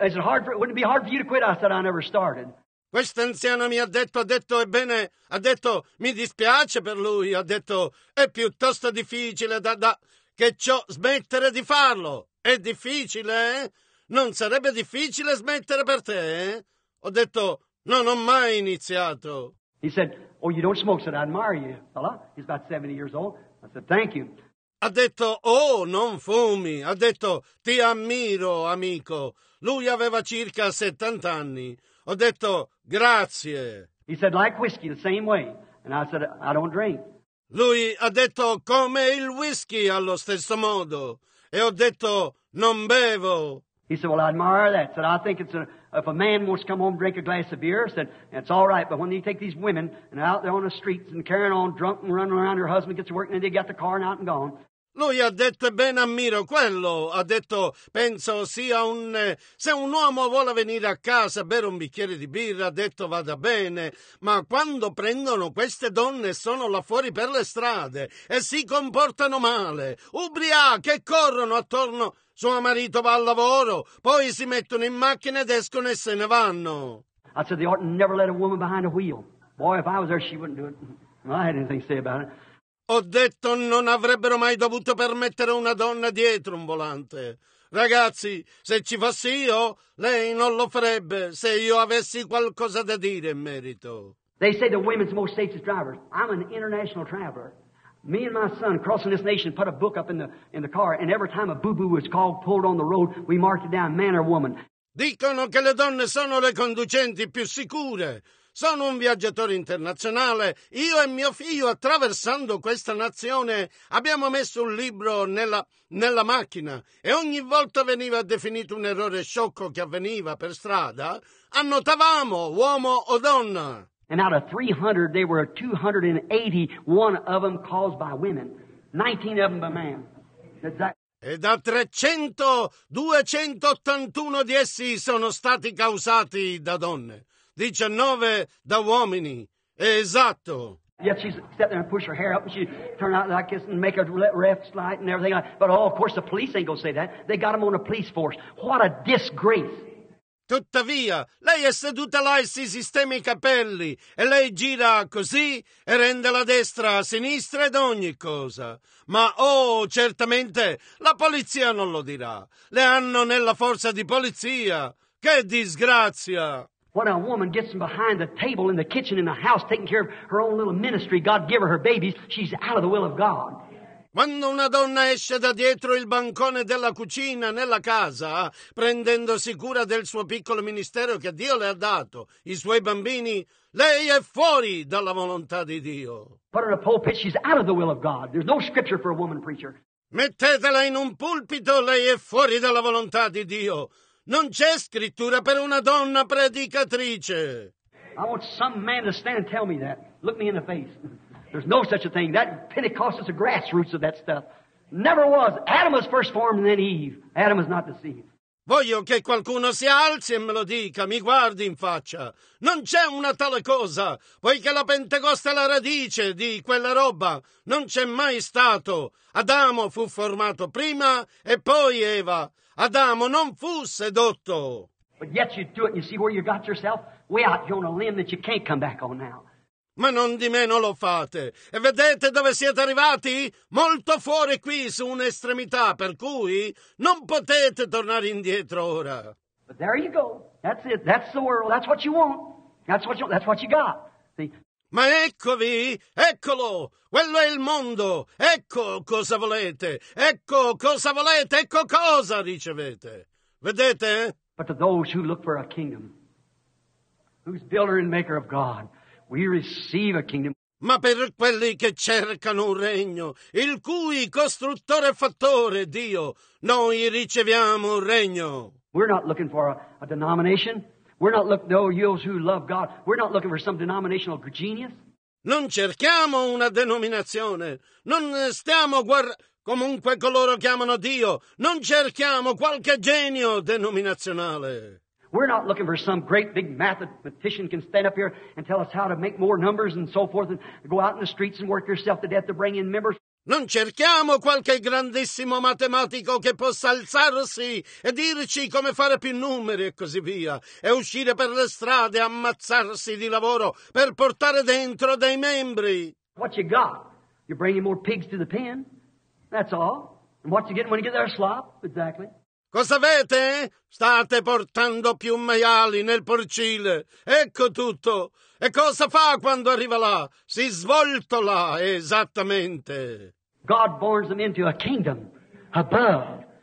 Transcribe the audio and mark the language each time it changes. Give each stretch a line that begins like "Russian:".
English: Is it hard for, wouldn't it be hard for you to quit? I said, I never started.
Italian: Questo anziano mi ha detto, ebbene, ha detto, mi dispiace per lui, ha detto, è piuttosto difficile che ciò smettere di farlo. È difficile, eh? Non sarebbe difficile smettere per te, eh? Ho detto, non ho mai iniziato.
English: He said, oh, you don't smoke, so I admire you, fella. He's about 70 years old. I said, thank you.
Italian: Ha detto, oh, non fumi. Ha detto, ti ammiro, amico. Lui aveva circa 70 anni. Ho detto, grazie.
English: He said, like whiskey, the same way. And I said, I don't drink.
Italian: Lui ha detto, come il whisky, allo stesso modo. E ho detto, non bevo.
English: He said, well, I admire that. Said, I think it's if a man wants to come home and drink a glass of beer, said, it's all right. But when you take these women and out there on the streets and carrying on drunk and running around, her husband gets to work and they got the car and out and gone.
Italian: Lui ha detto, ben ammiro quello, ha detto, penso sia un... Se un uomo vuole venire a casa a bere un bicchiere di birra, ha detto, vada bene, ma quando prendono queste donne sono là fuori per le strade e si comportano male, ubriache, corrono attorno, suo marito va al lavoro, poi si mettono in macchina ed escono e se ne vanno.
English: I said, they ought never let a woman behind a wheel. Boy, if I was there, she wouldn't do it. I had anything to say about it.
Italian: Ho detto non avrebbero mai dovuto permettere una donna dietro un volante. Ragazzi, se ci fossi io, lei non lo farebbe se io avessi qualcosa da dire in merito.
English: They say the women's most safest drivers. I'm an international traveler. Me and my son crossing this nation put a book up in the car, and every time a boo-boo was called, pulled on the road, we marked it down, man or woman.
Italian: Dicono che le donne sono le conducenti più sicure. Sono un viaggiatore internazionale. Io e mio figlio, attraversando questa nazione, abbiamo messo un libro nella macchina e ogni volta veniva definito un errore sciocco che avveniva per strada, annotavamo uomo o donna.
English: And out of 300, there were 280, one of them caused by women, 19 of them by man.
Italian: E da 300, 281 di essi sono stati causati da donne. 19 da uomini. È esatto.
English: Yet she'd sit there and push her hair up and she'd turn out like this and make a ref slight and everything like that. But oh, of course the police ain't gonna say that. They got him on a police force. What a disgrace.
Italian: Tuttavia, lei è seduta là e si sistema i capelli e lei gira così e rende la destra a sinistra ed ogni cosa. Ma oh, certamente la polizia non lo dirà. Le hanno nella forza di polizia. Che disgrazia.
English: When a woman gets from behind the table in the kitchen in the house taking care of her own little ministry, God give her her babies, she's out of the will of God.
Italian: Quando una donna esce da dietro il bancone della cucina nella casa, prendendosi cura del suo piccolo ministero che Dio le ha dato, i suoi bambini, lei è fuori dalla volontà di Dio.
English: Put her in a pulpit, she's out of the will of God. There's no scripture for a woman preacher.
Italian: Mettetela in un pulpito, lei è fuori dalla volontà di Dio. Non c'è scrittura per una donna predicatrice.
English: I want some man to stand and tell me that. Look me in the face. There's no such a thing. That Pentecost is a grassroots of that stuff. Never was. Adam was first formed and then Eve. Adam is not deceived.
Italian: Voglio che qualcuno si alzi e me lo dica, mi guardi in faccia. Non c'è una tale cosa, poiché la Pentecoste è la radice di quella roba. Non c'è mai stato. Adamo fu formato prima e poi Eva. Adamo non fu sedotto.
English: But yet you do it, you see where you got yourself? Way out on a limb that you can't come back on now.
Italian: Ma non di meno lo fate. E vedete dove siete arrivati? Molto fuori qui, su un'estremità, per cui non potete tornare indietro ora.
English: But there you go. That's it. That's the world. That's what you want. That's what you got. See?
Italian: Ma eccovi, eccolo, quello è il mondo, ecco cosa volete, ecco cosa ricevete. Vedete?
English: But to those who look for a kingdom, who's builder and maker of God, we receive a kingdom.
Italian: Ma per quelli che cercano un regno, il cui costruttore e fattore Dio, noi riceviamo un regno.
English: We're not looking for a denomination. We're not looking for those who love God. We're not looking for some denominational genius.
Italian: Non cerchiamo una denominazione. Non stiamo comunque coloro che amano Dio. Non cerchiamo qualche genio denominazionale.
English: We're not looking for some great big mathematician can stand up here and tell us how to make more numbers and so forth and go out in the streets and work yourself to death to bring in members.
Italian: Non cerchiamo qualche grandissimo matematico che possa alzarsi e dirci come fare più numeri e così via, e uscire per le strade e ammazzarsi di lavoro per portare dentro dei membri.
English: What you got? You're bringing more pigs to the pen. That's all. And what you getting when you get there, slop? Exactly.
Italian: Cosa avete? State portando più maiali nel porcile. Ecco tutto. E cosa fa quando arriva là? Si svoltola, esattamente.
English: God borns them into a kingdom above.